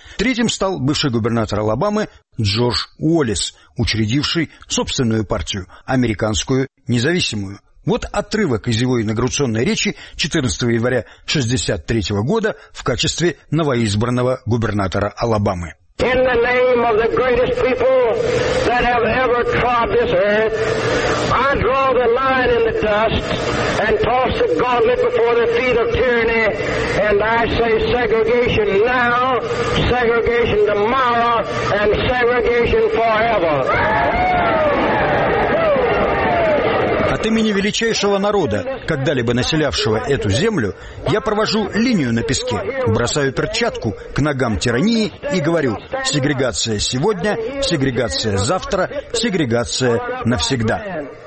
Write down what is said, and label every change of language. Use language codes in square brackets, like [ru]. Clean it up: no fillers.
[ru] Третьим стал бывший губернатор Алабамы Джордж Уоллес, учредивший собственную партию, американскую независимую. Вот отрывок из его инаугурационной речи 14 января 1963 года в качестве новоизбранного губернатора Алабамы. [en] In the name of the greatest people that have ever trod this earth, I draw the line in the dust and toss the gauntlet before the feet of tyranny, and I say segregation now, segregation tomorrow, and segregation forever. [ru] От имени величайшего народа, когда-либо населявшего эту землю, я провожу линию на песке, бросаю перчатку к ногам тирании и говорю: сегрегация сегодня, сегрегация завтра, сегрегация навсегда.